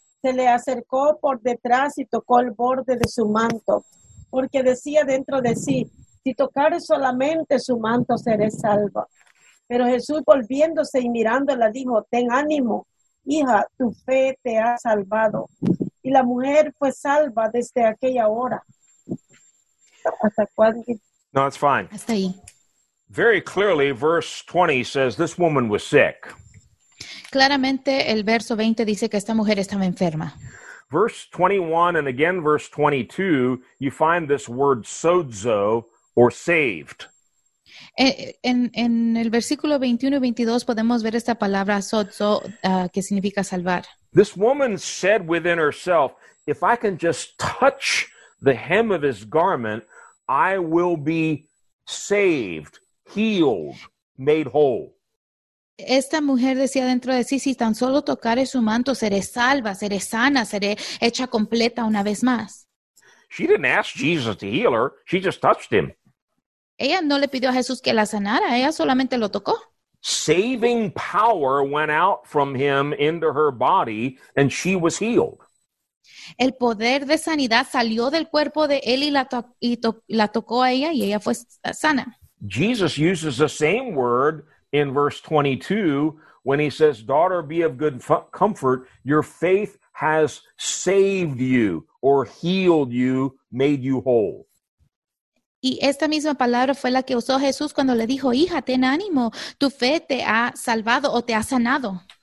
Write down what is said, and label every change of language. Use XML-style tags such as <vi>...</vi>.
<es>Se le acercó por detrás y tocó el borde de su manto, porque decía dentro de sí, si tocare solamente su manto seré salva. Pero Jesús, volviéndose y mirándola, dijo, ten ánimo, hija, tu fe te ha salvado. Y la mujer fue salva desde aquella hora. ¿Hasta cuándo?</es> <en>No, it's fine.</en> <es>Hasta ahí.</es> <en>Very clearly, verse 20 says this woman was sick.</en> <es>Claramente el verso 20 dice que esta mujer estaba enferma.</es> <en>Verse 21 and again verse 22, you find this word sozo or saved.</en> <es>En el versículo 21 y 22 podemos ver esta palabra sozo que significa salvar.</es> <en>This woman said within herself, if I can just touch the hem of his garment, I will be saved, healed, made whole.</en> <es>Esta mujer decía dentro de sí, si tan solo tocare su manto, seré salva, seré sana, seré hecha completa una vez más.</es> <en>She didn't ask Jesus to heal her, she just touched him.</en> <es>Ella no le pidió a Jesús que la sanara, ella solamente lo tocó.</es> <en>Saving power went out from him into her body and she was healed.</en> <es>El poder de sanidad salió del cuerpo de él y la tocó a ella y ella fue sana.</es> <en>Jesus uses the same word in verse 22 when he says, daughter, be of good comfort. Your faith has saved you or healed you, made you whole.</en> <es>Y esta misma palabra fue la que usó Jesús cuando le dijo, hija, ten ánimo, tu fe te ha salvado o te ha sanado.</es>